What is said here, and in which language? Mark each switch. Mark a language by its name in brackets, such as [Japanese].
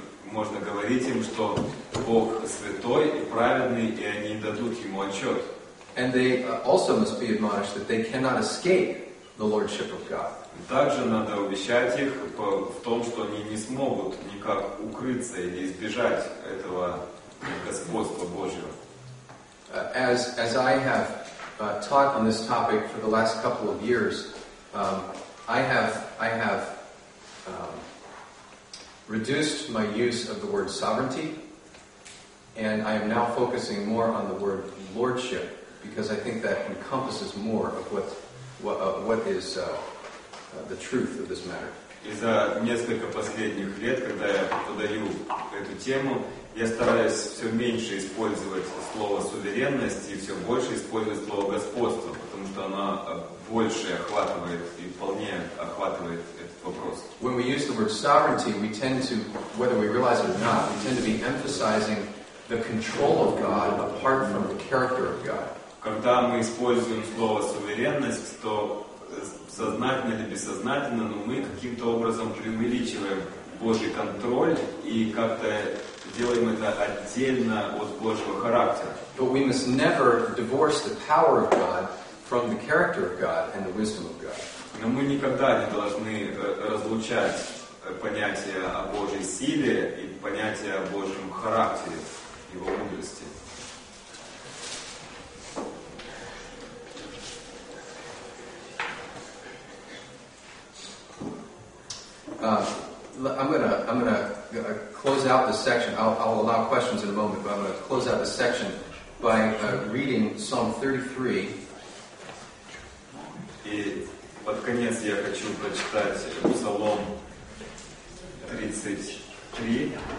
[Russian] можно говорить им, что Бог святой и праведный, и они дадут ему отчет. [English] And they also must be admonished that they cannot escape the lordship of God. [Russian] Также надо увещать их в том, что они не смогут никак укрыться или избежать этого господства Божьего. [English] As I have taught on this topic for the last couple of years, I have reduced my use of the word sovereignty, and I am now focusing more on the word lordship, because I think that encompasses more of what is the truth of this matter. [Russian] И за несколько последних лет, когда я преподаю эту тему, я стараюсь все меньше использовать слово суверенность и все больше использовать слово господство, потому что оно больше охватывает и вполне охватывает этот вопрос. [English] When we use the word sovereignty, we tend to, whether we realize it or not, we tend to be emphasizing the control of God apart from the character of God. [Russian] Когда мы используем слово суверенность, то сознательно или бессознательно, но мы каким-то образом преувеличиваем Божий контроль и как-то делаем это отдельно от Божьего характера. [English] But we must never divorce the power of God from the character of God and the wisdom of God. [Russian] Но мы никогда не должны разлучать понятие о Божьей силе и понятие о Божьем характере, Его мудрости. [English] I'm gonna close out this section. I'll allow questions in a moment, but I'm gonna close out this section by reading Psalm 33. [Russian] И под конец я хочу прочитать Псалом 33.